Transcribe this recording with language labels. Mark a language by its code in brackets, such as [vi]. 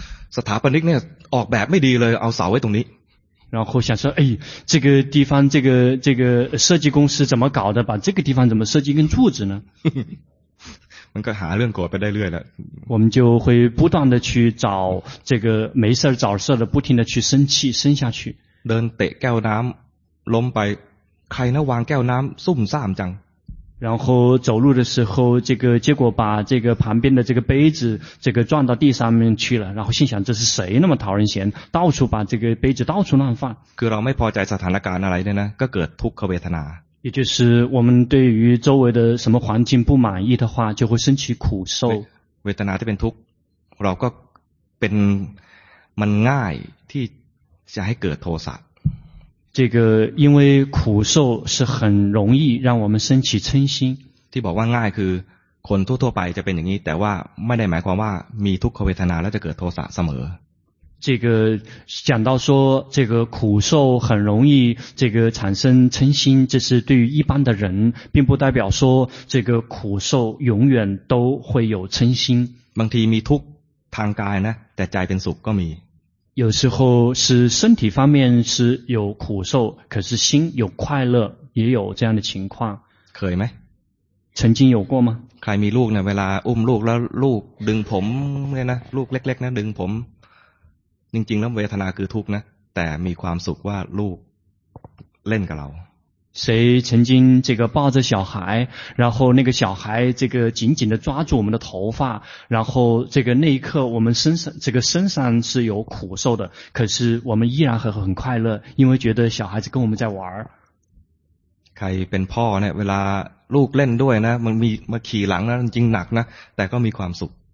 [th] สถาปนิกเนี่ยออกแบบไม่ดีเลยเอาเสาไว้ตรงนี้ [zh] 然后想说，哎，这个地方，这个设计公司怎么搞的？把这个地方怎么设计跟柱子呢？ [th] มันก็หาเรื่องก่อไปได้เรื่อยแล้ [zh] ว我们就会不断的去找这个没事找事的，不停的去生气，生下去。 [th] เดินเตะแก้วน้ำล้มไปใครนะวางแก้วน้ำซุ่มซ่ามจัง [zh] 然后走路的时候，这个结果把这个旁边的这个杯子，这个撞到地上面去了。然后心想，这是谁那么讨人嫌，到处把这个杯子到处乱放。 [th] คือเราไม่พอใจสถานการณ์อะไรเนี่ยนะก็เกิดทุกขเวทนา。 [zh] 也就是我们对于周围的什么环境不满意的话，就会升起苦受。 [th] เวทนาที่เป็นทุกข์เราก็เป็นมันง่ายที่จะให้เกิดโทสะ [zh] 这个因为苦受是很容易让我们升起嗔心 [th] ที่บอกว่าง่ายคือคนทั่วๆไปจะเป็นอย่างนี้แต่ว่าไม่ได้หมายความว่ามีทุกขเวทนาแล้วจะเกิดโทสะเสม [zh] อ这个讲到说这个苦受很容易这个产生嗔心这是对于一般的人并不代表说这个苦受永远都会有嗔心 [th] บางทีมีทุกข์ทางกายนะแต่ใจเป็นสุขก็มี [zh] 有时候是身体方面是有苦受可是心有快乐也有这样的情况可以 [th] ไหม [zh] 曾经有过吗 [th] ใครมีลูกเนี่ยเวลาอุ้มลูกแล้วลูกดึงผมเนี่ยนะลูกเล็กๆนะดึงผมจริงๆแล้วเวทนาคือทุกข์นะแต่มีความสุขว่าลูกเล่นกับเรา [zh] 谁曾经这个抱着小孩然后那个小孩这个紧紧的抓住我们的头发然后这个那一刻我们身上这个身上是有苦受的可是我们依然很快乐因为觉得小孩子跟我们在玩 [th] ใครเป็นพ่อเนี่ยเวลาลูกเล่นด้วยนะมันมีมาขี่หลังนะจริงหนักนะแต่ก็มีความสุข